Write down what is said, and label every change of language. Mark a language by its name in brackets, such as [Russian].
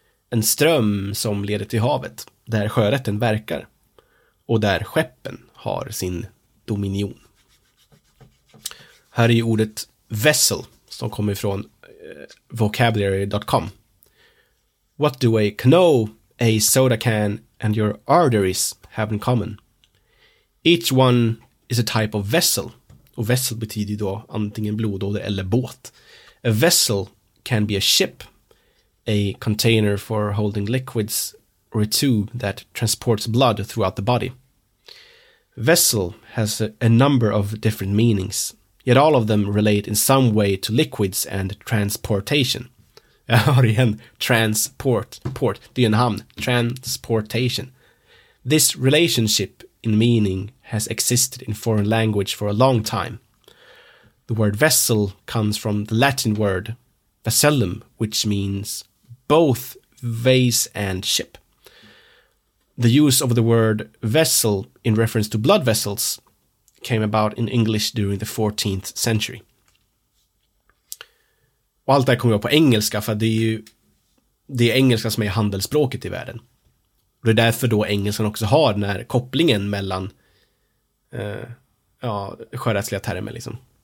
[Swedish] En ström som leder till havet. Där sjörätten verkar. Och där skeppen har sin dominion. Här är ju ordet vessel som kommer från vocabulary.com. [English] What do I know? A soda can and your arteries have in common. Each one is a type of vessel. [Swedish] Och vessel betyder då antingen blodåder eller båt. [English] A vessel can be a ship, a container for holding liquids, or a tube that transports blood throughout the body. Vessel has a number of different meanings, yet all of them relate in some way to liquids and transportation. [Swedish] Ja, har igen. Transport. Port. Det är en hamn. Transportation. [English] This relationship in meaning has existed in foreign language for a long time. The word vessel comes from the Latin word vesellum, which means both vase and ship. The use of the word vessel in reference to blood vessels came about in English during the 14th century. [Swedish] Och allt det här kommer jag på engelska, för det är ju det är engelska som är handelsspråket i världen. Och det är därför då engelskan också har den här kopplingen mellan sjörättsliga termer liksom.